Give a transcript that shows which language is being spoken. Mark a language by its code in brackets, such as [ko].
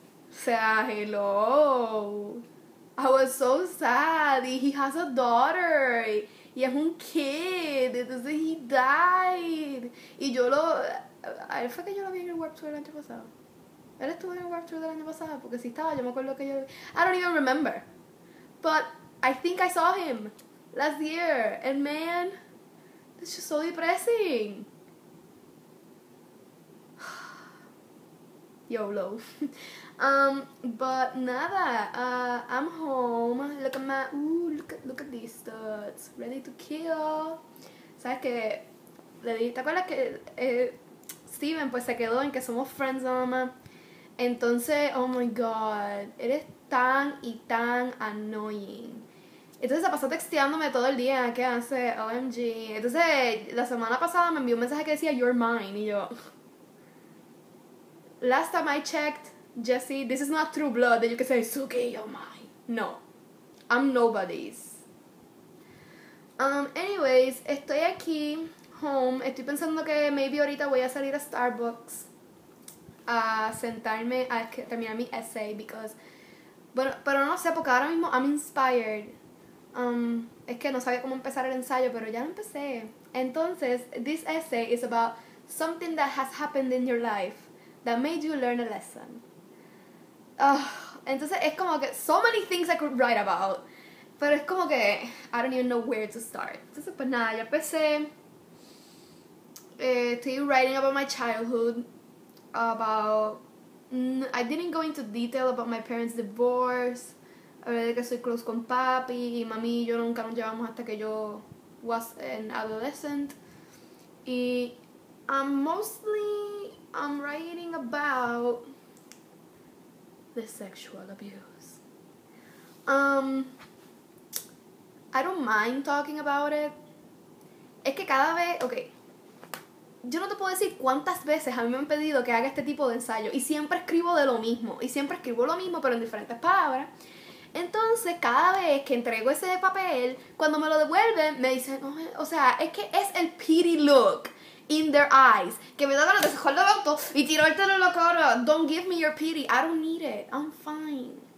[es] O sea, [en] hello. I was so sad. He has a daughter. [es] Y es un [en] kid. [es] Entonces, [en] he died. [es] Y yo lo. A él fue que yo lo vi en el Warped Tour el año pasado. Él estuvo en el Warped Tour del año pasado. Porque sí estaba, yo me acuerdo que yo lo vi. [en] I don't even remember. But I think I saw him last year. And man, this is just so depressing. YOLO. But nada, I'm home. Look at my, look at these studs. Ready to kill. [es] ¿Sabes qué? Le dije, ¿te acuerdas que Steven pues se quedó en que somos friends nada más? Entonces, [en] oh my god, [es] eres tan y tan annoying. Entonces se pasó texteándome todo el día, ¿qué hace? OMG. Entonces, la semana pasada me envió un mensaje que decía, [en] you're mine, [es] y yo. [en] Last time I checked, Jesse, this is not true blood that you can say, Suki, you're mine. No, I'm nobody's. [es] Anyways, estoy aquí, home. Estoy pensando que maybe ahorita voy a salir a Starbucks a sentarme a terminar mi essay, because. Bueno, pero no sé, porque ahora mismo [en] I'm inspired. [es] Es que no sabía cómo empezar el ensayo, pero ya lo empecé. [en] Entonces, this essay is about something that has happened in your life. That made you learn a lesson. [es] Entonces es como que [en] so many things I could write about, [es] pero es como que [en] I don't even know where to start. [es] Entonces pues nada, ya empecé. [en] Estoy writing about my childhood, about I didn't go into detail about my parents' divorce. [es] Hablé de que soy close con papi y mami, y yo nunca nos llevamos hasta que yo [en] was an adolescent. Y I'm writing about the sexual abuse. I don't mind talking about it. [es] Es que cada vez, ok, yo no te puedo decir cuántas veces a mí me han pedido que haga este tipo de ensayo y siempre escribo de lo mismo y siempre escribo lo mismo pero en diferentes palabras. Entonces, cada vez que entrego ese papel, cuando me lo devuelven, me dicen, oh, o sea, es que es el [en] pity look. In their eyes, [es] que me da ganas de cejar el auto y tirarte en la cara. [en] Don't give me your pity, I don't need it, I'm fine.